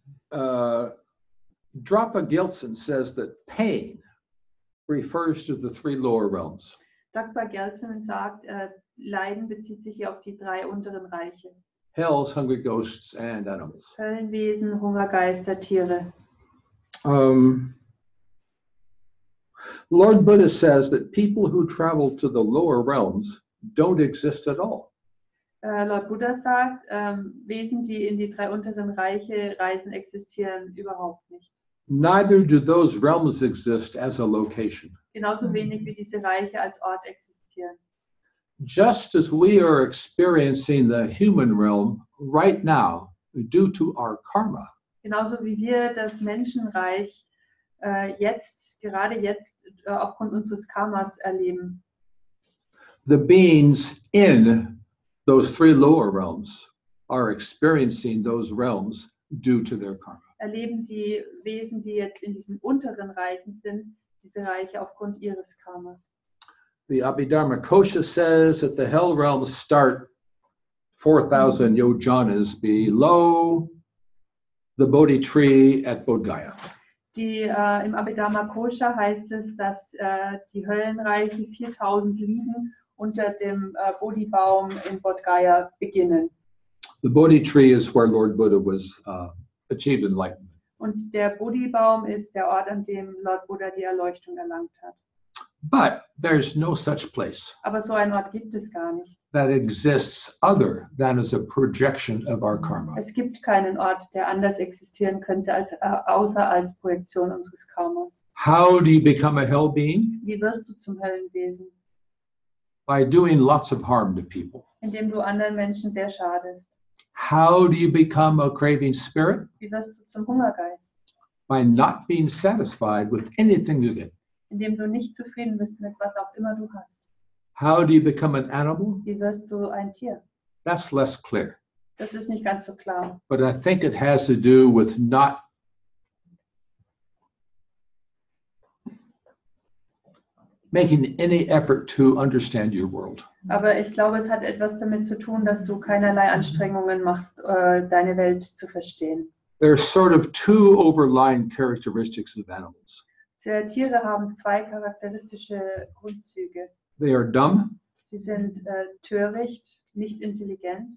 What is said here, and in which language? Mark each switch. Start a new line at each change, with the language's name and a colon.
English: Drapa Gyaltsen says that pain refers to the 3 lower realms.
German: Drapa Gyaltsen sagt, Leiden bezieht sich hier auf die 3 unteren Reiche.
English: hells, hungry ghosts, and animals.
German: Höllenwesen, Hungergeister, Tiere.
English: Lord Buddha says that people who travel to the lower realms don't exist at all.
German: Lord Buddha sagt, Wesen, die in die drei unteren Reiche reisen, existieren überhaupt nicht.
English: Neither do those realms exist as a location.
German: Genauso wenig wie diese Reiche als Ort existieren.
English: Just as we are experiencing the human realm right now due to our karma.
German: Genauso wie wir das Menschenreich jetzt, gerade jetzt, aufgrund unseres Karmas erleben.
English: The beings in those three lower realms are experiencing those realms due to their karma.
German: Erleben die Wesen, die jetzt in diesen unteren Reichen sind, diese Reiche aufgrund ihres Karmas.
English: The Abhidharma Kosha says that the hell realms start 4,000 yojanas below the Bodhi tree at Bodh Gaya.
German: Im Abhidharma Kosha heißt es, dass die Höllenreiche 4,000 liegen unter dem Bodhi-Baum in Bodh Gaya beginnen.
English: The Bodhi tree is where Lord Buddha was achieved enlightenment.
German: Und der Bodhi-Baum ist der Ort, an dem Lord Buddha die Erleuchtung erlangt hat.
English: But there's no such place.
German: Aber so ein Ort gibt es gar nicht.
English: That exists other than as a projection of our karma.
German: Es gibt keinen Ort, der anders existieren könnte als außer als Projektion unseres Karmas.
English: How do you become a hell being?
German: Wie wirst du zum Höllenwesen?
English: By doing lots of harm to people.
German: Indem du anderen Menschen sehr schadest.
English: How do you become a craving spirit?
German: Wie wirst du zum Hungergeist?
English: By not being satisfied with anything you get.
German: Indem du nicht zufrieden bist mit was auch immer du hast.
English: How do you become an animal?
German: Wie wirst du ein Tier?
English: That's less clear.
German: Das ist nicht ganz so klar.
English: But I think it has to do with not making any effort to understand your world.
German: Aber ich glaube, es hat etwas damit zu tun, dass du keinerlei Anstrengungen machst, deine Welt zu verstehen.
English: There are sort of two overlying characteristics of animals.
German: Tiere haben zwei charakteristische Grundzüge.
English: They are dumb.
German: Sie sind töricht, nicht intelligent.